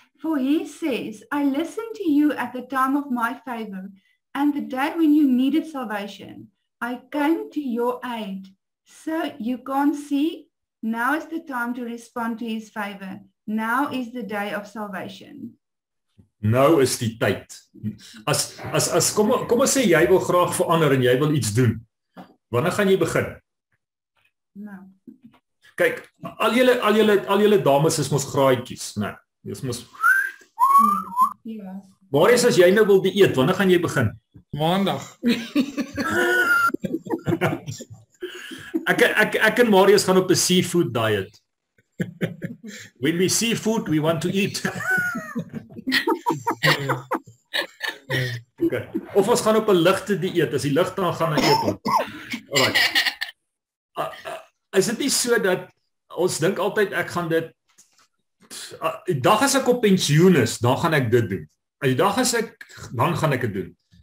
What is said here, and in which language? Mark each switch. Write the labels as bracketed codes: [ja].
[en] For he says, I listened to you at the time of my favor, and the day when you needed salvation, I came to your aid. So you can't see, now is the time to respond to his favor. Now is the day of salvation. [af] Nou is die tyd. As kom ons sê jy wil graag verander en jy wil iets doen. Wanneer gaan jy begin? Nou. Kyk, al julle dames is mos graaitjies, né? Nee, is mos. Ja. Waar is as jy nou wil dieet? Wanneer gaan jy begin? Maandag. Ek en Marius gaan op 'n seafood diet. [en] When we see food, we want to eat. Okay. [af] Of ons gaan op 'n ligte dieet, as die lig aan gaan na eet. Alright. Is dit nie so dat ons dink altyd ek gaan dit die dag as ek op pensioen is, dan gaan ek dit doen. Dan gaan ek dit doen.